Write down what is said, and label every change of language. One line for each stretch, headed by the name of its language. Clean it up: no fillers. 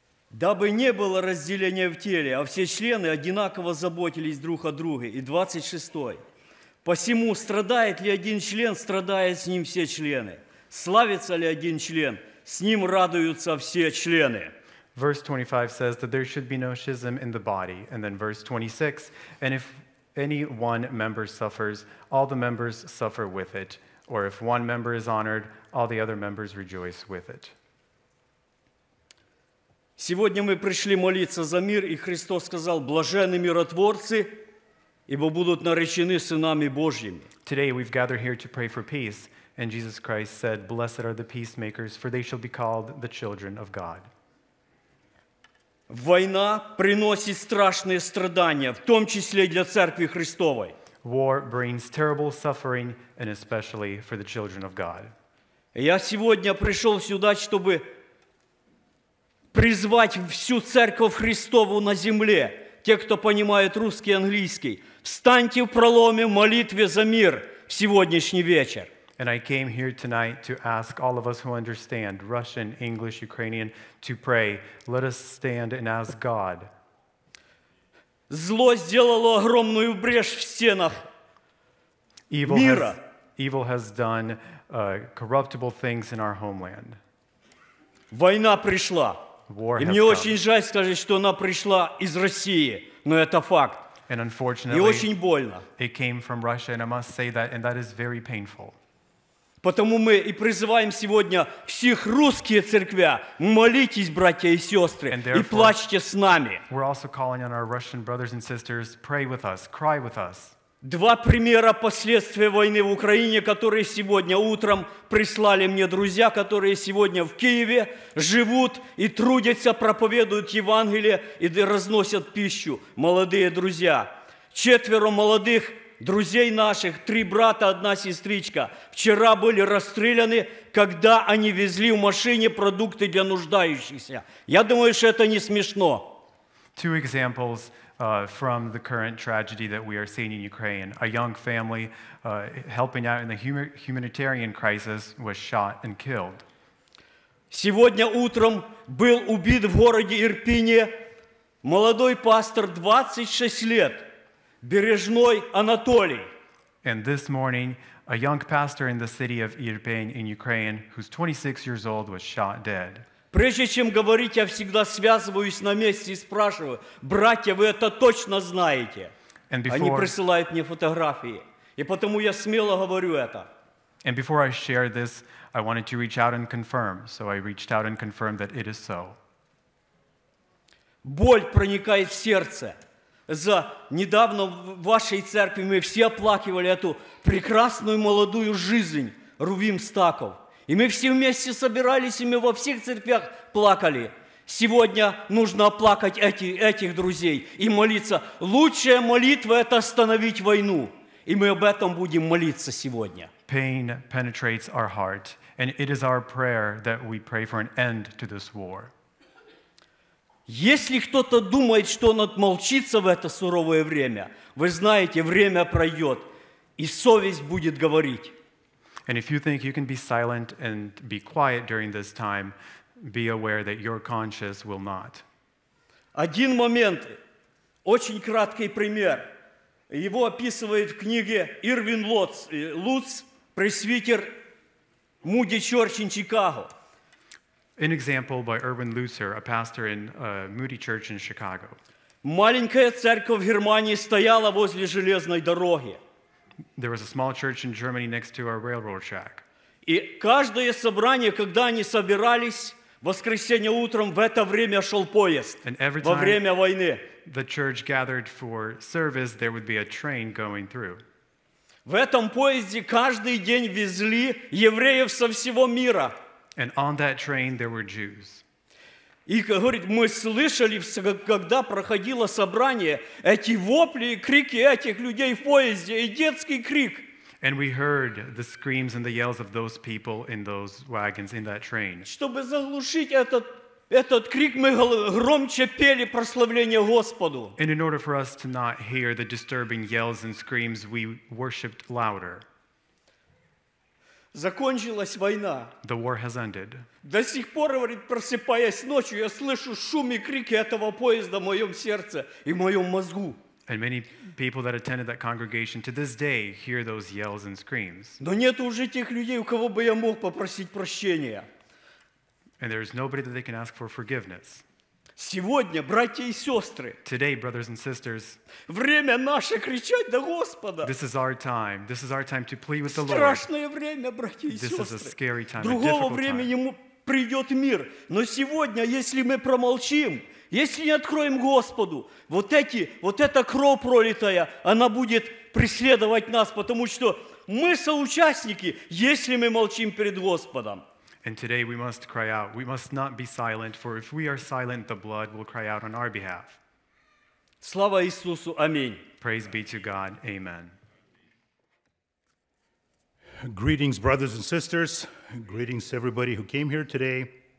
Russian: Дабы не было разделения в теле, а все члены одинаково заботились друг о друге. И 26. Посему, страдает ли один член, страдают с ним все члены. Славится ли один член, с ним радуются все члены.
English: Verse 25 says that there should be no schism in the body. And then verse 26. And if any one member suffers, all the members suffer with it. Or if one member is honored, all the other members rejoice with it.
Russian: Сегодня мы пришли молиться за мир, и Христос сказал: блаженны миротворцы, ибо будут наречены сынами Божьими.
English: Today we've gathered here to pray for peace, and Jesus Christ said, blessed are the peacemakers, for they shall be called the children of God.
Russian: Война приносит страшные страдания, в том числе для Церкви Христовой.
English: War brings terrible suffering, and especially for the children of God.
Russian: Я сегодня пришел сюда, чтобы призвать всю Церковь Христову на земле, те, кто понимает русский и английский, встаньте в проломе в молитве за мир в сегодняшний вечер.
English: And I came here tonight to ask all of us who understand Russian, English, Ukrainian to pray, let us stand and ask God.
Russian: Зло сделало огромную брешь в стенах
English: evil
Russian: мира.
English: Evil has done corruptible things in our homeland.
Russian: Война пришла.
English: War
Russian: и мне очень жаль сказать, что она пришла из России, но это факт.
English: And unfortunately,
Russian: и очень больно.
English: It came from Russia, and I must say that, and that is very painful.
Russian: Потому мы и призываем сегодня всех русские церкви, молитесь, братья и сестры, и плачьте с нами.
English: We're also calling on our Russian brothers and sisters, pray with us, cry with us.
Russian: Два примера последствий войны в Украине, которые сегодня утром прислали мне друзья, которые сегодня в Киеве живут и трудятся, проповедуют Евангелие и разносят пищу. Молодые друзья, четверо молодых друзей наших, три брата, одна сестричка, вчера были расстреляны, когда они везли в машине продукты для нуждающихся. Я думаю, что это не смешно.
English: Two examples. From the current tragedy that we are seeing in Ukraine. A young family helping out in the humanitarian crisis was shot and killed.
Russian: Сегодня утром был убит в городе Ирпине молодой пастор, 26 лет, Бережной Анатолий.
English: And this morning, a young pastor in the city of Irpin in Ukraine, who's 26 years old, was shot dead.
Russian: Прежде чем говорить, я всегда связываюсь на месте и спрашиваю: братья, вы это точно знаете? Они присылают мне фотографии, и потому я смело говорю это.
English: And before I share this, I wanted to reach out and confirm, so I reached out and confirmed that it is so.
Russian: Боль проникает в сердце. За недавно в вашей церкви мы все оплакивали эту прекрасную молодую жизнь Рувим Стаков. И мы все вместе собирались, и мы во всех церквях плакали. Сегодня нужно оплакать этих друзей и молиться. Лучшая молитва – это остановить войну. И мы об этом будем молиться сегодня.
English: Pain penetrates our heart, and it is our prayer that we pray for an end to this war.
Russian: Если кто-то думает, что он отмолчится в это суровое время, вы знаете, время пройдет, и совесть будет говорить.
English: And if you think you can be silent and be quiet during this time, be aware that your conscience will not.
Russian: Один момент, очень краткий пример. Его описывает в книге Ирвин Луц, пресвитер Муди Чорчин, Чикаго.
English: An example by Ирвин Луцер, a pastor in Moody Church in Chicago.
Russian: Маленькая церковь в Германии стояла возле железной дороги.
English: There was a small church in Germany next to our railroad track.
Russian: И каждое собрание, когда они собирались, в воскресенье утром в это время шел поезд.
English: And every time
Russian: во время войны
English: the church gathered for service, there would be a train going through.
Russian: В этом поезде каждый день везли евреев со всего мира.
English: And on that train there were Jews.
Russian: И говорит, мы слышали, когда проходило собрание, эти вопли и крики этих людей в поезде, и детский крик.
English: And we heard the screams and the yells of those people in those wagons, in that train.
Russian: Чтобы заглушить этот крик, мы громче пели прославление Господу.
English: And in order for us to not hear the disturbing yells and screams, we worshipped louder.
Russian: Закончилась война.
English: The war has ended.
Russian: До сих пор, говорит, просыпаясь ночью, я слышу шум и крики этого поезда в моем сердце и в моем мозгу.
English: And many people that attended that congregation to this day hear those yells and screams.
Russian: Но нет уже тех людей, у кого бы я мог попросить прощения.
English: And there is nobody that they can ask for forgiveness.
Russian: Сегодня, братья и сестры,
English: today, brothers and sisters,
Russian: время наше кричать до Господа.
English: This is our time. This is our time to plead with the Lord.
Russian: Страшное время, братья и сестры.
English: This is a scary time.
Russian: Другого времени придет мир, но сегодня, если мы промолчим, если не откроем Господу, вот эта кровопролитая, она будет преследовать нас, потому что мы соучастники, если мы молчим перед Господом.
English: And today we must cry out. We must not be silent, for if we are silent, the blood will cry out on our behalf.
Russian: Слава Иисусу, аминь.
English: Praise be to God. Amen. Greetings, brothers and sisters. Greetings to everybody who came here today.